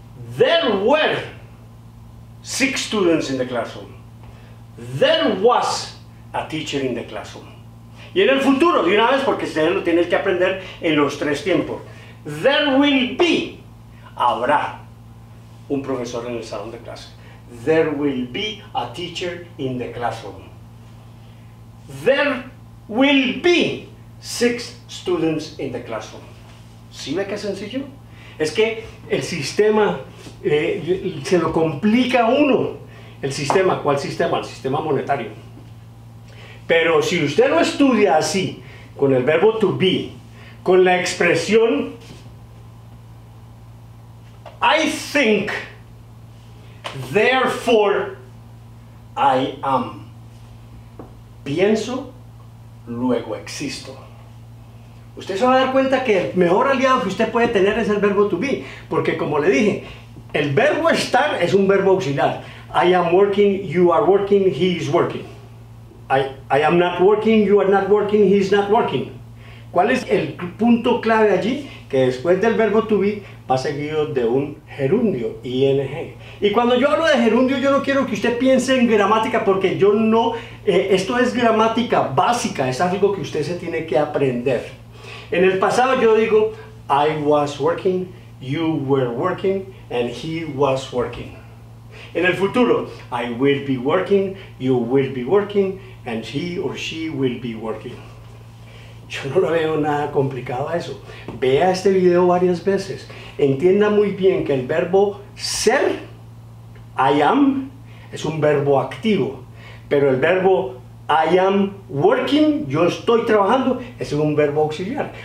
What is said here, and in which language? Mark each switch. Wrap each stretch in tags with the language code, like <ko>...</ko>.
<en>There were 6 students in the classroom. There was a teacher in the classroom.</en> <es>Y en el futuro, de una vez, porque usted lo tiene que aprender en los 3 tiempos.</es> <en>There will be.</en> <es>Habrá un profesor en el salón de clase.</es> <en>There will be a teacher in the classroom. There will be 6 students in the classroom.</en> <es>¿Sí ve qué sencillo? Es que el sistema se lo complica a uno. El sistema, ¿cuál sistema? El sistema monetario. Pero si usted lo estudia así, con el verbo to be, con la expresión</es> <en>I think, therefore, I am.</en> <es>Pienso, luego existo. Usted se va a dar cuenta que el mejor aliado que usted puede tener es el verbo to be. Porque como le dije, el verbo estar es un verbo auxiliar.</es> <en>I am working, you are working, he is working. I am not working, you are not working, he is not working.</en> <es>¿Cuál es el punto clave allí? Que después del verbo to be va seguido de un gerundio, ing. Y cuando yo hablo de gerundio, yo no quiero que usted piense en gramática, porque yo no, esto es gramática básica, es algo que usted se tiene que aprender. En el pasado yo digo,</es> <en>I was working, you were working, and he was working.</en> <es>En el futuro,</es> <en>I will be working, you will be working, and he or she will be working.</en> <es>Yo no lo veo nada complicado a eso. Vea este video varias veces. Entienda muy bien que el verbo ser, I am, es un verbo activo. Pero el verbo</es> <en>I am working,</en> <es>yo estoy trabajando, es un verbo auxiliar.</es>